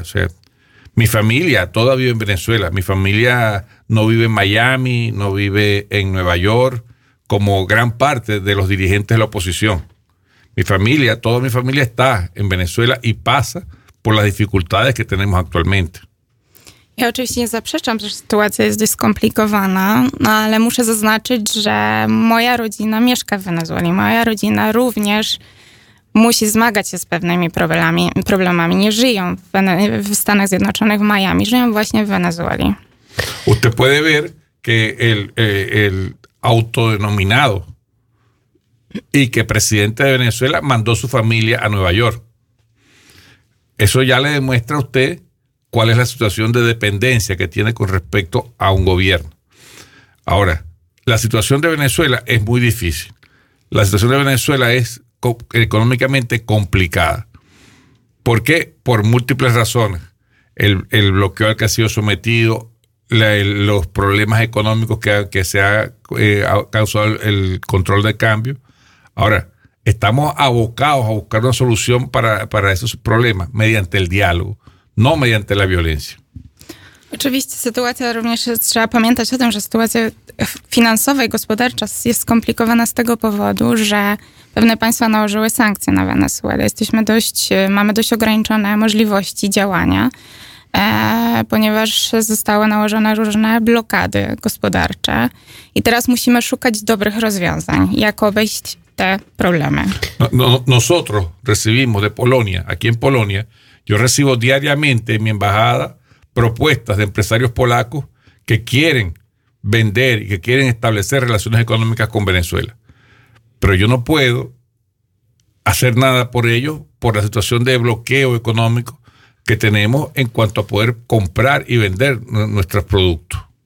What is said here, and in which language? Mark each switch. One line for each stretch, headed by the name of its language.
Spanish: O sea, mi familia toda vive en Venezuela. Mi familia no vive en Miami, no vive en Nueva York, como gran parte de los dirigentes de la oposición. Mi familia, toda mi familia está en Venezuela y pasa por las dificultades que tenemos actualmente.
Polish: Ja oczywiście nie zaprzeczam, że sytuacja jest dość skomplikowana, ale muszę zaznaczyć, że moja rodzina mieszka w Wenezueli. Moja rodzina również musi zmagać się z pewnymi problemami. Nie żyją w Stanach Zjednoczonych, w Miami. Żyją właśnie w Wenezueli.
Spanish: Usted puede ver que el autodenominado y que presidente de Venezuela mandó su familia a Nueva York. Eso ya le demuestra a usted cuál es la situación de dependencia que tiene con respecto a un gobierno. Ahora, la situación de Venezuela es muy difícil. La situación de Venezuela es económicamente complicada. ¿Por qué? Por múltiples razones. El bloqueo al que ha sido sometido, los problemas económicos que se ha causado el control de cambio. Ahora, estamos abocados a buscar una solución para esos problemas mediante el diálogo, no mediante la violencia.
Polish: Oczywiście sytuacja, również trzeba pamiętać o tym, że sytuacja finansowa i gospodarcza jest skomplikowana z tego powodu, że pewne państwa nałożyły sankcje na Wenezuelę. Mamy dość ograniczone możliwości działania, ponieważ zostały nałożone różne blokady gospodarcze i teraz musimy szukać dobrych rozwiązań, jak obejść te problemy.
Spanish: Nosotros recibimos de Polonia, aquí en Polonia, yo recibo diariamente en mi embajada propuestas de empresarios polacos que quieren vender y que quieren establecer relaciones económicas con Venezuela. Pero yo no puedo hacer nada por ellos, por la situación de bloqueo económico que tenemos en cuanto a poder comprar y vender nuestros productos.